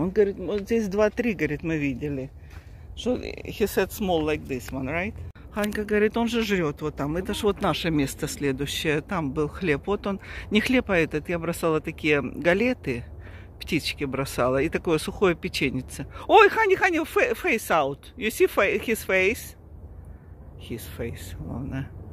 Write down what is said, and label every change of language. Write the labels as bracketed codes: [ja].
[ru] Он говорит, вот здесь 2-3, говорит, мы видели. [en] So he said small like this one, right? [ru] Ханька говорит, он же жрет вот там. Это ж вот наше место следующее. Там был хлеб. Вот он. Не хлеб, а этот. Я бросала такие галеты. Птички бросала. И такое сухое печенице. Ой, Ханя, [en] face out. You see his face? His face. [ru] Вон, а.